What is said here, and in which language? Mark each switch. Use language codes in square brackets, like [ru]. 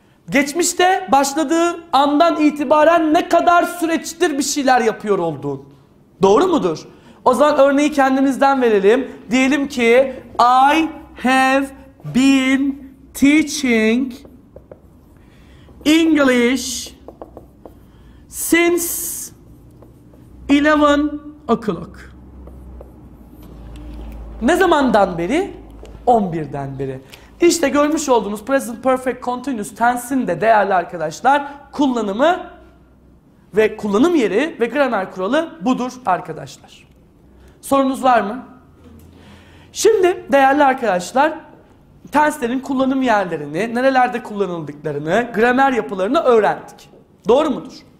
[tr] Geçmişte başladığı andan itibaren ne kadar süreçtir bir şeyler yapıyor olduğun. Doğru mudur? O zaman örneği kendimizden verelim. Diyelim ki [en] I have been teaching English since 11 o'clock. [tr] Ne zamandan beri? 11'den beri. İşte görmüş olduğunuz present perfect continuous tense'in de değerli arkadaşlar kullanımı ve kullanım yeri ve gramer kuralı budur arkadaşlar. Sorunuz var mı? Şimdi değerli arkadaşlar tenslerin kullanım yerlerini, nerelerde kullanıldıklarını, gramer yapılarını öğrendik. Doğru mudur?